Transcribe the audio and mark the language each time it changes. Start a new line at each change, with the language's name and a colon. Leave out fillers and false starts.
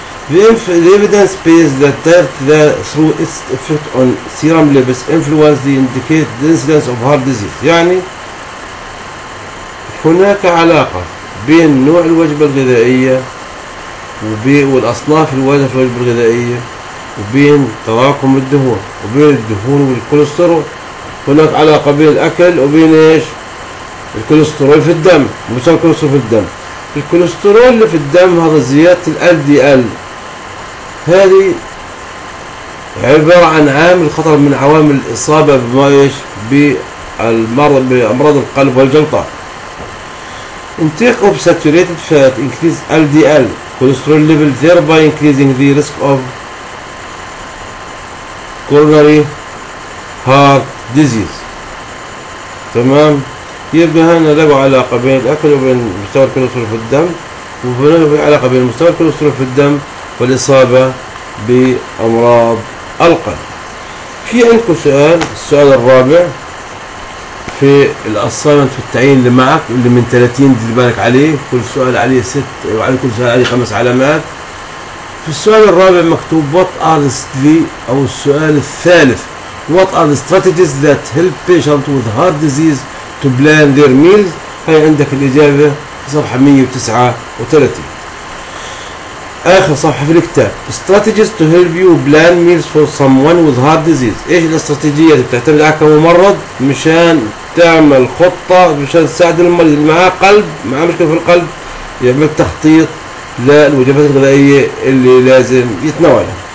English: The evidence based that diet through its effect on serum levels influence the indicate the incidence of heart disease،
Arabic: يعني هناك علاقة بين نوع الوجبة الغذائية والأصناف الواردة في الوجبة الغذائية، وبين تراكم الدهون، وبين الدهون والكوليسترول. هناك علاقة بين الأكل وبين إيش؟ الكوليسترول في الدم، مش الكوليسترول في الدم، الكوليسترول اللي في الدم هذا زيادة الـ LDL. هذه عبارة عن عامل خطر من عوامل الإصابة بأمراض القلب والجلطة.
English: Intake of saturated fat increase LDL cholesterol level thereby increasing the risk of coronary heart disease.
Arabic: تمام، يبقى هنا له علاقة بين الأكل وبين مستوى الكوليسترول في الدم، وفي علاقة بين مستوى الكوليسترول في الدم والإصابة بأمراض القلب. في عندكم سؤال، السؤال الرابع في الاسايمنت في التعيين اللي معك اللي من 30 دير بالك عليه، كل سؤال عليه 6 وعلى كل سؤال عليه 5 علامات. في السؤال الرابع مكتوب
English: what are the
Arabic: او السؤال الثالث
English: what are the strategies that help patients with heart disease to plan their meals.
Arabic: هي عندك الاجابه في صفحه 139. اخر صفحه في الكتاب
English: strategies to help you plan meals for someone with heart disease،
Arabic: ايش الاستراتيجيات اللي بتعتمد عليها كممرض مشان تعمل خطة مشان تساعد المريض اللي معاه قلب، معاه مشكلة في القلب، يعمل تخطيط للوجبات الغذائية اللي لازم يتناولها.